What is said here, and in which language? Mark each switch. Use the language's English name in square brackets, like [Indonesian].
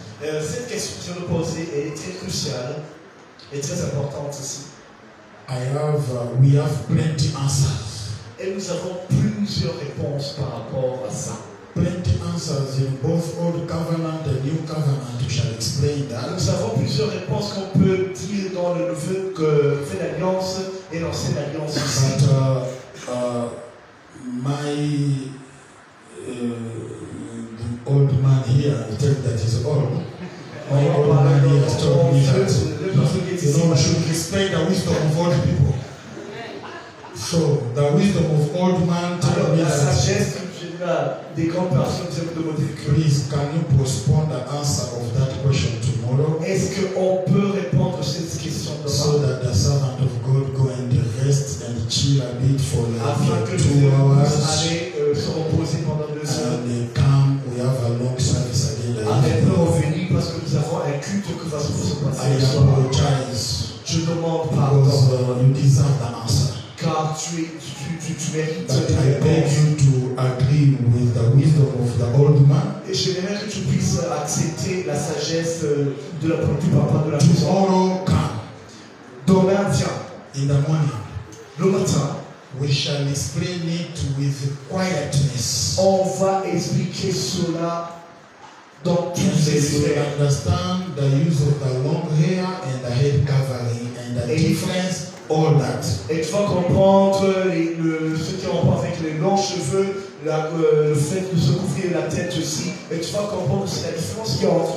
[French] Cette question que je vais poser est très cruciale et très importante aussi. [English] We have plenty answers. [French] Et nous avons plusieurs réponses par rapport à ça. [English] Plenty answers in both old covenant and new covenant. You shall explain that. [French] Nous avons plusieurs réponses qu'on peut dire dans le nouveau que fait l'alliance et l'ancienne alliance. [English] But the old man here, I tell you that he's old. My old man here has told me that we should respect the wisdom of old people. So the wisdom of old man tells me that. [French] Des grandes personnes qui ont demandé que. [English] Please, can you postpone the answer of that question tomorrow? [French] Est-ce qu'on peut répondre à cette question demain? [English] So that the servant of God go and rest and chill a bit for like 2 hours. [French] Se reposer pendant 2 heures. [English] And then come, we have a long service again. [French] Après, nous revenons parce que nous avons un culte que va se passer. [English] I apologize. [French] Je demande pardon. [English] Because you deserve the answer. [French] Car tu [English] but I beg you to agree with the wisdom of the old man. [French] Et je voudrais que tu puisses accepter la sagesse de la part du papa de la [English] maison. Tomorrow come. [French] Demain vient. [English] In the morning. [French] Le matin. [English] We shall explain it with quietness. [French] On va expliquer cela. [English] You will understand the use of the long hair and the head covering and the difference. All that. [French] Et tu vas comprendre ce qui est en rapport avec les longs cheveux, le fait de se couvrir la tête aussi. Et tu vas comprendre aussi la différence qu'il y a entre